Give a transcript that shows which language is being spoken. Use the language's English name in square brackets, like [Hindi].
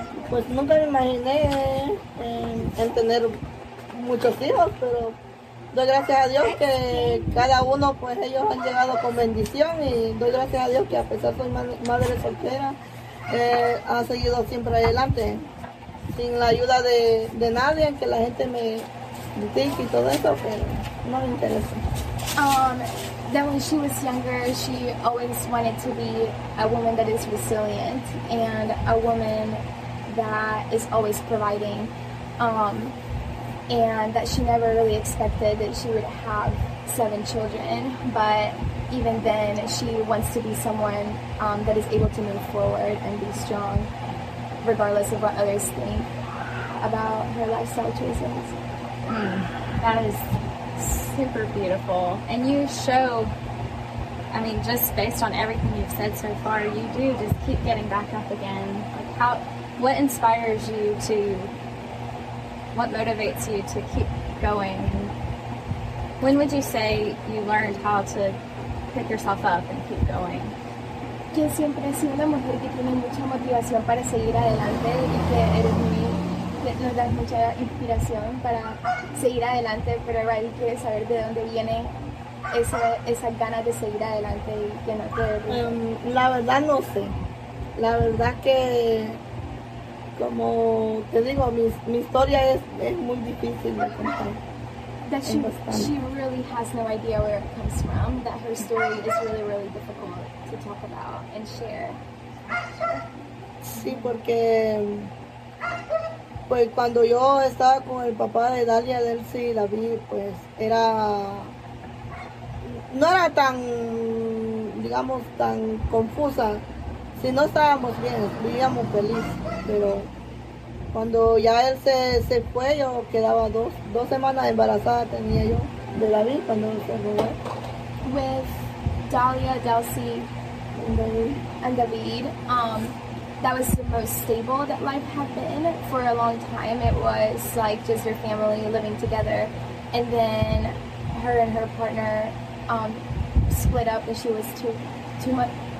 [Spanish] Pues nunca me imaginé en tener muchos hijos, pero doy gracias a Dios que cada uno, pues ellos han llegado con bendición y doy gracias a Dios que a pesar de ser madre soltera, ha seguido siempre adelante. Sin la ayuda de nadie, que la gente me critique y todo eso, pero no me interesa. [English] Then when she was younger, she always wanted to be a woman that is resilient and a woman that is always providing, and that she never really expected that she would have 7 children. But even then, she wants to be someone that is able to move forward and be strong, regardless of what others think about her lifestyle choices. That is super beautiful. And you show, I mean, just based on everything you've said so far, you do just keep getting back up again. Like, how, what inspires you to, what motivates you to keep going? And when would you say you learned how to pick yourself up and keep going? [Spanish] Que siempre he sido una mujer que tiene mucha motivación para seguir adelante y que eres muy, nos das mucha inspiración para seguir adelante, pero Riley quiere saber de dónde viene esas ganas de seguir adelante y que no te derrumbe. La verdad no sé. La verdad que, como te digo, mi historia es muy difícil de contar. [English] That she really has no idea where it comes from, that her story is really, really difficult to talk about and share. [Spanish] Sí, porque pues cuando yo estaba con el papá de Dalia, de él sí la vi, pues era, no era tan, digamos, tan confusa. Si no estábamos bien, vivíamos feliz, pero cuando ya él se fue, yo quedaba dos semanas embarazada tenía yo de David cuando se fue. [English] With Dalia, Delcy, and David, that was the most stable that life had been for a long time. It was like just your family living together. And then her and her partner split up when she was two months.